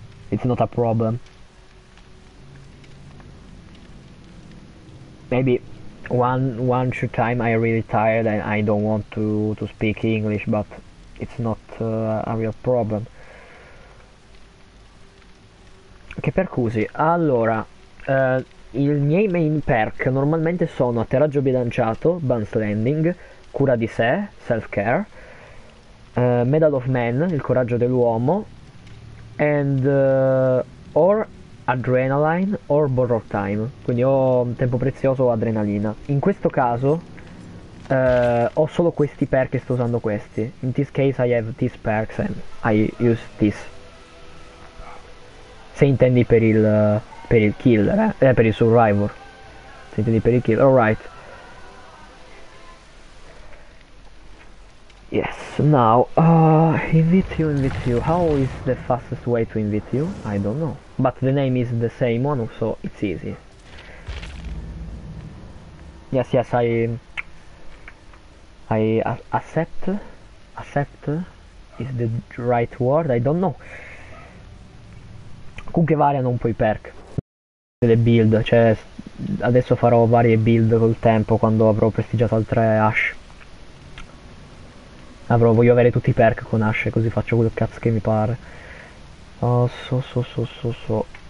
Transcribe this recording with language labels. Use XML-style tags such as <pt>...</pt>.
<en>It's not a problem. Maybe one two time I really tired and I don't want to speak English, but it's not a real problem.</en> <it>Che percusi? Allora, i miei main perk normalmente sono atterraggio bilanciato, Bounce Landing, cura di sé, Self Care, Medal of Man, il coraggio dell'uomo, or Adrenaline or Borrow Time, quindi ho tempo prezioso o adrenalina. In questo caso ho solo questi perk e sto usando questi.</it> <en>In this case I have these perks and I use this.</en> <it>Se intendi per il killer, per il survivor. Se intendi per il killer, alright.</it> <en>Yes, now invite you. How is the fastest way to invite you? I don't know. But the name is the same one, so it's easy. Yes, I accept. Accept is the right word, I don't know.</en> <it>Comunque variano un po' i perk delle build, cioè adesso farò varie build col tempo quando avrò prestigiato altre Ashe. Avrò, voglio avere tutti i perk con Ashe, così faccio quello cazzo che mi pare.</it> <en>Oh, so.</en>